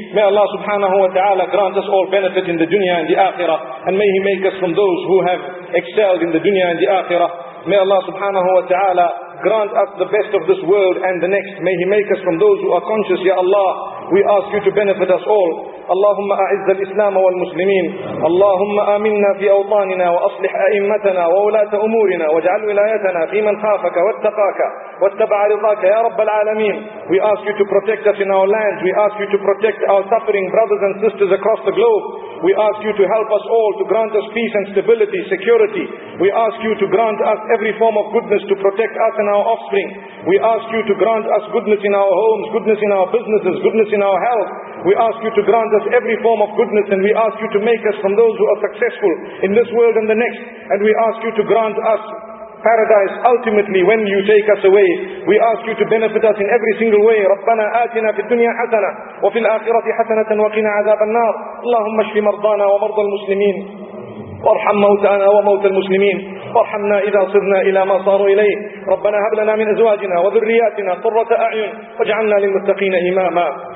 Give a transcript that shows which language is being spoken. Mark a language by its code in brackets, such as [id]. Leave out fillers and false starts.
[en] May Allah subhanahu wa ta'ala grant us all benefit in the dunya and the akhirah. And may He make us from those who have excelled in the dunya and the akhirah. May Allah subhanahu wa ta'ala grant us the best of this world and the next. May He make us from those who are conscious. Ya Allah, we ask You to benefit us all. [ar] اللهم أعز الإسلام والمسلمين. اللهم آمنا في أوطاننا وأصلح أئمتنا وولاة أمورنا واجعل ولايتنا في من خافك واتقاك واتبع رضاك يا رب العالمين. [en] We ask You to protect us in our lands. We ask You to protect our suffering brothers and sisters across the globe. We ask You to help us all, to grant us peace and stability, security. We ask You to grant us every form of goodness to protect us and our offspring. We ask You to grant us goodness in our homes, goodness in our businesses, goodness in our health. We ask You to grant us every form of goodness, and we ask You to make us from those who are successful in this world and the next. And we ask You to grant us paradise ultimately when you take us away. We ask you to benefit us in every single way. [ar] رَبَّنَا آتِنَا فِي الدُّنْيَا حَسَنَةً وَفِي الْآخِرَةِ حَسَنَةً وَقِنَا عَذَابَ النَّارِ اللهم اشف مرضانا ومرضى المسلمين وارحم موتانا وموتى المسلمين وارحمنا إذا صرنا إلى ما صاروا إليه ربنا هب لنا من أزواجنا وذرياتنا قرة أعين واجعلنا للمتقين إماما